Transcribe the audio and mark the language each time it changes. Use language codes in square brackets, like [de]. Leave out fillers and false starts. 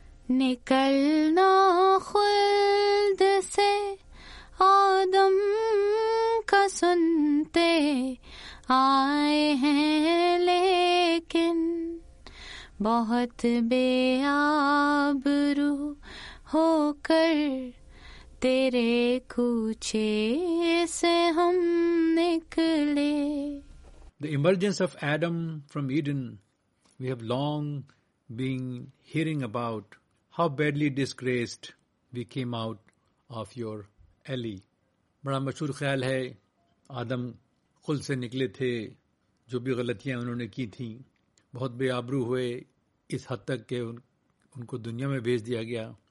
[ur] نکلنا خلد سے آدم کا سنتے آئے ہیں لیکن بہت بے آبرو ہو کر تیرے کوچے سے ہم نکلے. [en] The emergence of Adam from Eden we have long been hearing about, how badly disgraced we came out of your alley. [ur] بڑا مشہور خیال ہے, آدم خلد سے نکلے تھے, جو بھی غلطیاں انہوں نے کی تھیں, بہت بے آبرو ہوئے اس حد تک کہ ان کو دنیا میں بھیج دیا گیا.